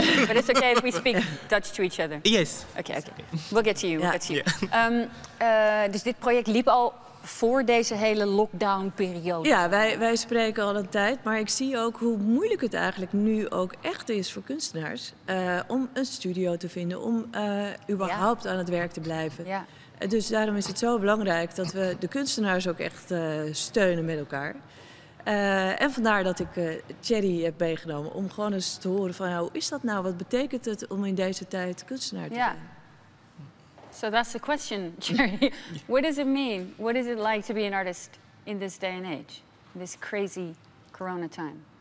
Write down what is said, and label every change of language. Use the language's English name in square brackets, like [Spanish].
[English] But it's okay if we speak Dutch to each other. Yes. Okay. We'll get to you. [Dutch] Dus dit project liep al voor deze hele lockdownperiode. Ja, wij spreken al een tijd. Maar ik zie ook hoe moeilijk het eigenlijk nu ook echt is voor kunstenaars om een studio te vinden, om überhaupt aan het werk te blijven. Ja. Dus daarom is het zo belangrijk dat we de kunstenaars ook echt steunen met elkaar. En vandaar dat ik Thierry heb meegenomen om gewoon eens te horen van hoe is dat nou? Wat betekent het om in deze tijd kunstenaar te zijn? [English] So that's the question, Jerry. What does it mean? What is it like to be an artist in this day and age, this crazy corona time?